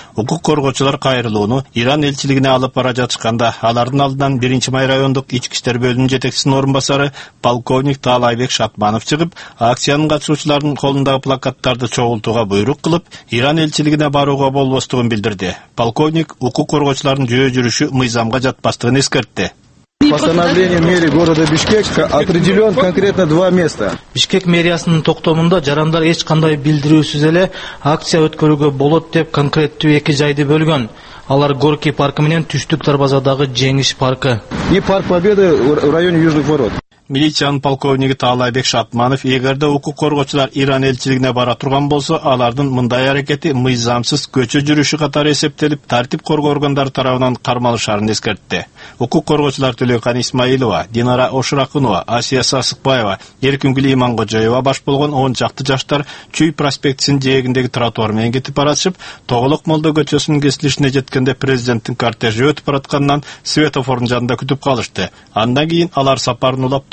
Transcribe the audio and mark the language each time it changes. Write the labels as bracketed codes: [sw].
[ky] Укук коргоочулар кайрылууну Иран элчилигине алып бара жатышканда алардын алдынан 1-май райондук ички иштер бөлүмүнүн жетекчисинин орун басары полковник Таалайбек Шатманов чыгып, акциянын катышуучуларынын колундагы плакаттарды чогултууга буйрук кылып, Иран элчилигине барууга болбостугун билдирди. Полковник укук коргоочулардын жөө жүрүшү мыйзамга жатпастыгын эскертти. [ru] Постановление мэрии города Бишкек определен конкретно 2 места. [ky] Бишкек мэриясынын токтомунда жарандар эч кандай билдирүүсүз эле акция өткөрүүгө болот деп конкреттүү 2 жайды бөлгөн. Алар Горки паркы менен түштүк дарбазадагы Жеңиш паркы. [ru] И парк Победы в районе Южных ворот. [ky] Милициянын полковниги Таалайбек Шатманов, эгерде укук коргоочулар Иран элчилигине бара турган болсо, алардын мындай аракети мыйзамсыз көчө жүрүшү катары эсептелип, тартип коргоо органдары тарабынан кармалышарын эскертти. Укук коргоочулар Төлөйкан Исмаилова, Динара Ошуракунова, Асия Сасыкбаева, Эркингүл Иманкожоева баш болгон 10 жаштар Чүй проспектисинин жээгиндеги тротуар менен кетип баратышып, Тоголок Молдо көчөсүнүн кесилишине жеткенде президенттин кортежи өтүп баратканынан светофордун жанында күтүп калышты. Андан кийин алар сапарын улап